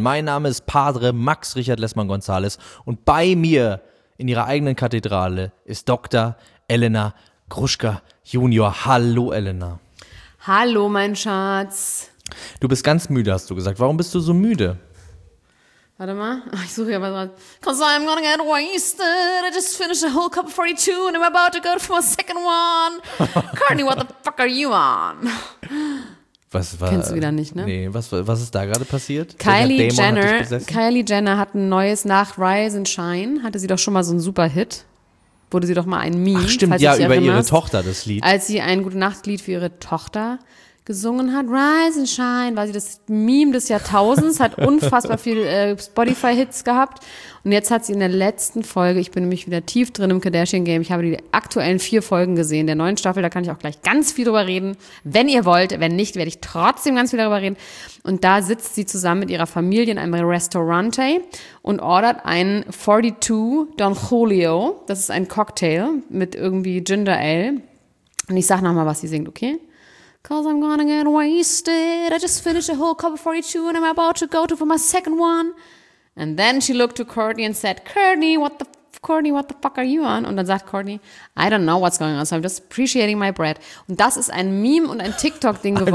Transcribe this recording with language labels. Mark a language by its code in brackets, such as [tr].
[de] Mein Name ist Padre Max Richard Lessmann Gonzales und bei mir in ihrer eigenen Kathedrale ist Dr. Elena Groschka Junior. Hallo Elena. Hallo mein Schatz. Du bist ganz müde, hast du gesagt. Warum bist du so müde? Warte mal, ich suche ja mal dran. [en] Cause I'm gonna get wasted. I just finished a whole cup of 42 and I'm about to go for a second one. Courtney, what the fuck are you on? [de] Was war, kennst du wieder nicht, ne? Nee, was ist da gerade passiert? Kylie Jenner hat ein neues nach Rise and Shine. Hatte sie doch schon mal so einen super Hit. Wurde sie doch mal ein Meme. Ach stimmt, ja, über ihre Tochter das Lied. Als sie ein Gute-Nacht-Lied für ihre Tochter gesungen hat, Rise and Shine, war sie das Meme des Jahrtausends, hat unfassbar viel Spotify-Hits gehabt. Und jetzt hat sie in der letzten Folge, ich bin nämlich wieder tief drin im Kardashian-Game, ich habe die aktuellen 4 Folgen gesehen, der neuen Staffel, da kann ich auch gleich ganz viel drüber reden, wenn ihr wollt, wenn nicht, werde ich trotzdem ganz viel darüber reden. Und da sitzt sie zusammen mit ihrer Familie in einem Restaurante und ordert einen 42 Don Julio, das ist ein Cocktail mit irgendwie Ginger Ale. Und ich sag nochmal, was sie singt, okay? [en] Cause I'm gonna get wasted. I just finished a whole cup of 42 and I'm about to go to for my second one. And then she looked to Courtney and said, Courtney, what the fuck are you on? [de] Und dann sagt Courtney, [en] I don't know what's going on, so I'm just appreciating my bread. [de] Und das ist ein Meme und ein TikTok-Ding geworden.